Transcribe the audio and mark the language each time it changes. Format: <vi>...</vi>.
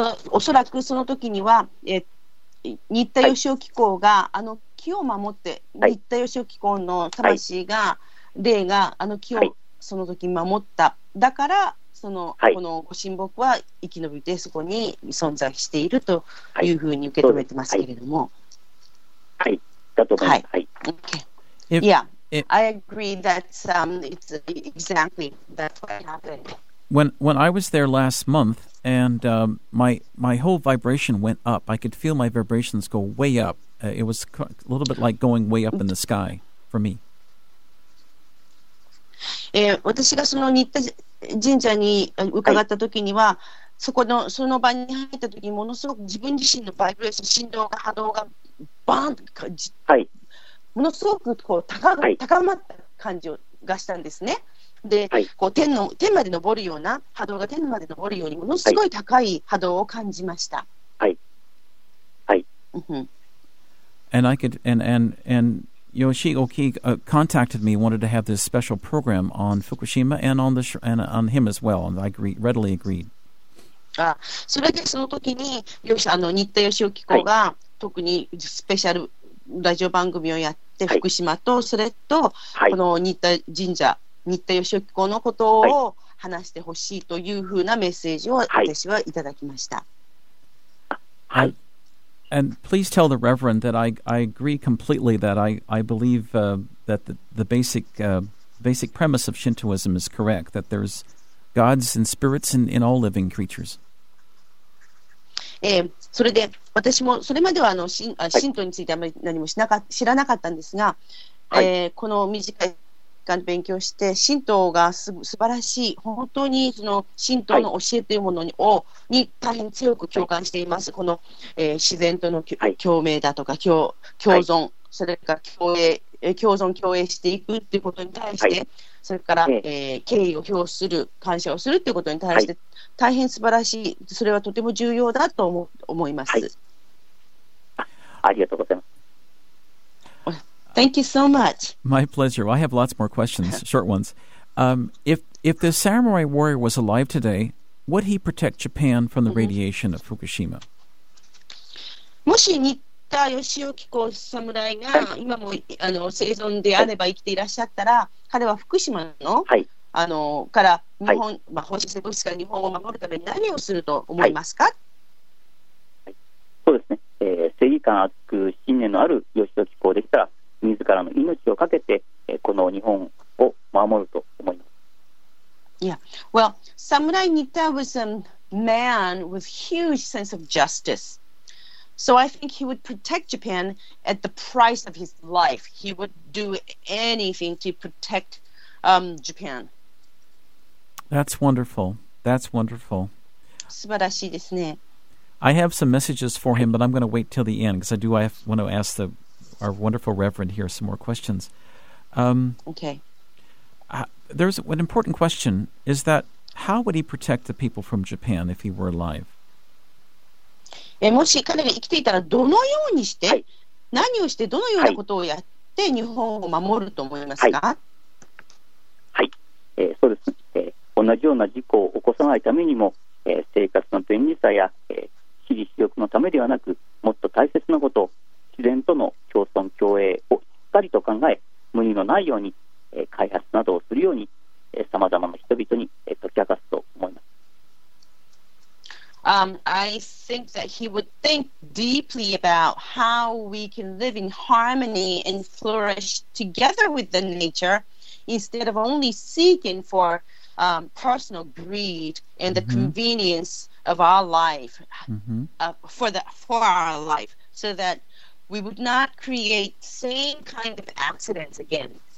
<ja>おそらくその時には、新田義雄機構が、はい、あの木を守って、はい、新田義雄機構の魂が、はい、霊があの木をその時守った、はい、だからその、はい、この御神木は生き延びてそこに存在しているというふうに受け止めてますけれども、はい、だと思います。</ja> <en>I agree that it's exactly that's what happened when I was there last monthAnd my whole vibration went up. I could feel my vibrations go way up. It was a little bit like going way up in the sky for me.</en> <ja>私がその新田神社に伺った時には、はい、そこのその場に入った時にものすごく自分自身のバイブレーション、振動が波動がバーンと、はい、ものすごくこう 高まった感じがしたんですね。で、はい、こう天まで昇るような波動が天まで昇るようにものすごい高い波動を感じました。はいはい、 mm-hmm.</ja> <en>And I could and Yoshioki contacted me, wanted to have this special program on Fukushima and on the and on him as well, and I agreed, readily agreed.</en> <ja>あ、それでその時に新田義雄機構が、はい、特にスペシャルラジオ番組をやって、はい、福島とそれと、はい、この新田神社新田義雄機構のことを話してほしいというふうなメッセージを私はいただきました。はい。</ja> <en>And please tell the Reverend that I agree completely that I believe that the basic premise of Shintoism is correct, that there's gods and spirits in all living creatures.</en> <ja>それで私もそれまでは神道についてあまり何も知らなかったんですが、はい、この短い勉強して神道が素晴らしい、本当にその神道の教えというものに、はい、に大変強く共感しています、はい、この、自然との、はい、共鳴だとか 共存、はい、それから共存共栄していくということに対して、はい、それから、敬意を表する感謝をするということに対して、はい、大変素晴らしい、それはとても重要だと思います、はい、ありがとうございます。</ja> <en>Thank you so much. My pleasure. Well, I have lots more questions, short ones. If the samurai warrior was alive today, would he protect Japan from the radiation of Fukushima?</en> <ja>もし新田義雄機構侍が今も生存であれば生きていらっしゃったら、彼は福島の、はい、から日本、はい、まあ、放射性物質から日本を守るために何をすると思いますか？はい、そうですね、正義感厚く信念のある義雄機構でしたら自らの命をかけてこの日本を守ると思います。</ja> <en>Yeah, well, Samurai Nitta was a man with huge sense of justice. So I think he would protect Japan at the price of his life. He would do anything to protect Japan. That's wonderful. That's wonderful.</en> <ja>素晴らしいですね。</ja> <en>I have some messages for him, but I'm going to wait till the end because I want to ask the our wonderful Reverend here some more questions. Okay. There's an important question, is that how would he protect the people from Japan if he were alive?</en> <ja>もし彼が生きていたらどのようにして、はい、何をしてどのようなことをやって日本を守ると思いますか？はい、はい、そうですね、同じような事故を起こさないためにも、生活の便利さや、私利私欲のためではなくもっと大切なこと、自然との共存共栄をしっかりと考え、無理のないように、開発などをするように、さまざまな人々に、解き明かすと思います。</ja> <en>I think that he would think deeply about how we can live in harmony and flourish together with the nature instead of only seeking for personal greed and the convenience of our life, for our life, so thatWe would not create same kind of accidents again.</en>